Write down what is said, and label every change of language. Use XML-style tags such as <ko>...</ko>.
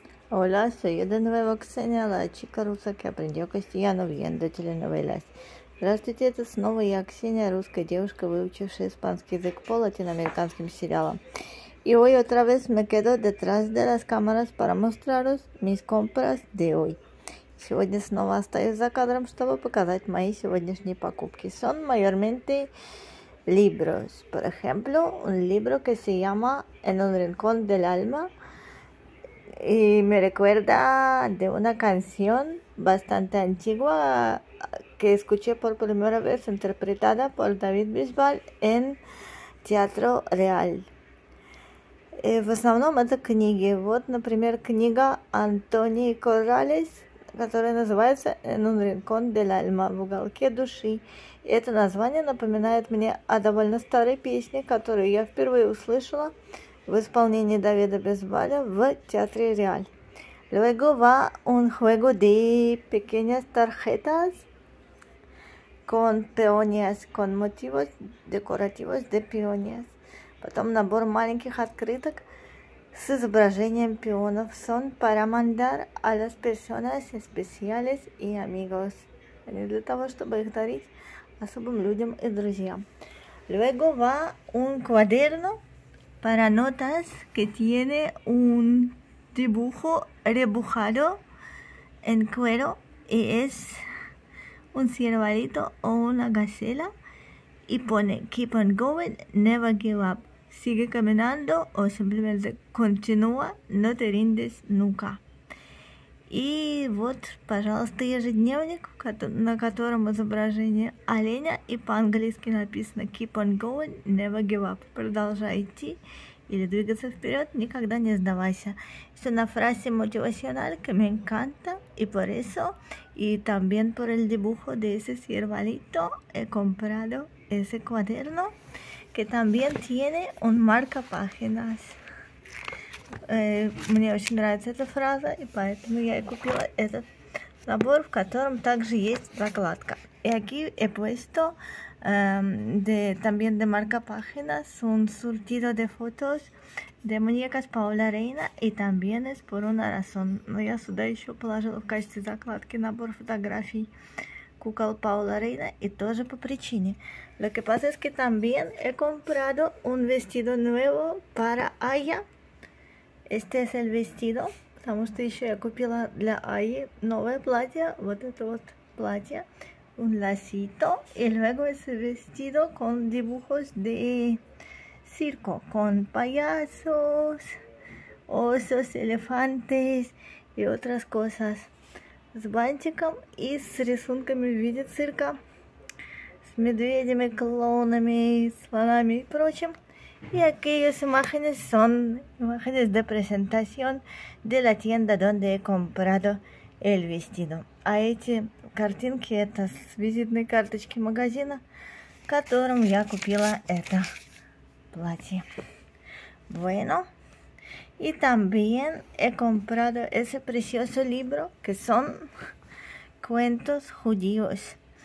<es>Hola, soy de nuevo Ксения, la chica rusa que aprendió castellano viendo telenovelas.</es> <ru>Здравствуйте, это снова я, Ксения, русская девушка, выучившая испанский язык по латиноамериканским сериалам. И</ru> <es>hoy otra vez me quedo detrás de las cámaras para mostraros mis compras de hoy.</es> <ru>Сегодня снова остаюсь за кадром, чтобы показать мои сегодняшние покупки.</ru> <es>Son mayormente libros. Por ejemplo, un libro que se llama «En un rincón del alma». Y me recuerda de una canción bastante antigua que escuché por primera vez interpretada por David Bisbal en Teatro Real. Y</es> <ru>в основном это книги. Вот, например, книга Антони Коралес, которая называется «En un rincón del alma» – «В уголке души». И это название напоминает мне о довольно старой песне, которую я впервые услышала в исполнении Давида Бисбаля в театре Реаль.</ru> <es>Luego va un juego de pequeñas tarjetas con peonias, con motivos decorativos de peonias.</es> <ru>Потом набор маленьких открыток с изображением пионов.</ru> <es>Son para mandar a las personas especiales y amigos.</es> <ru>Они для того, чтобы их дарить особым людям и друзьям.</ru> <es>Luego va un cuaderno para notas que tiene un dibujo repujado en cuero y es un ciervalito o una gacela y pone</es> <en>keep on going, never give up,</en> <es>sigue caminando o simplemente continúa, no te rindes nunca.</es> <ru>И вот, пожалуйста, ежедневник, на котором изображение оленя, и по-английски написано</ru> <en>«Keep on going, never give up».</en> <ru>Продолжай идти или двигаться вперед, никогда не сдавайся.</ru> <es>Es una frase motivacional que me encanta, y por eso, y también por el dibujo de ese ciervalito, he comprado ese cuaderno, que también tiene un marcapáginas.</es> <ru>Мне очень нравится эта фраза, и поэтому я и купила этот набор, в котором также есть закладка. И</ru> <es>aquí he puesto también de marca páginas un surtido de fotos de muñecas Paula Reina, y también es por una razón.</es> <ru>Но я сюда еще положила в качестве закладки набор фотографий кукол Паула Рейна, и тоже по причине.</ru> <es>Lo que pasa es que también he comprado un vestido nuevo para Aya. Este es el vestido,</es> <ru>потому что еще я купила для Аи новое платье, вот это вот платье,</ru> <es>un lacito, y luego ese vestido con dibujos de circo, con payasos, osos, elefantes y otras cosas,</es> <ru>с бантиком и с рисунками в виде цирка, с медведями, клоунами, слонами и прочим.</ru> <es>Y aquellas imágenes son imágenes de presentación de la tienda donde he comprado el vestido.</es> <ru>A эти картинки, это с визитной карточки магазина, в котором я купила это платье.</ru> <es>Bueno, y también he comprado ese precioso libro que son cuentos judíos.</es>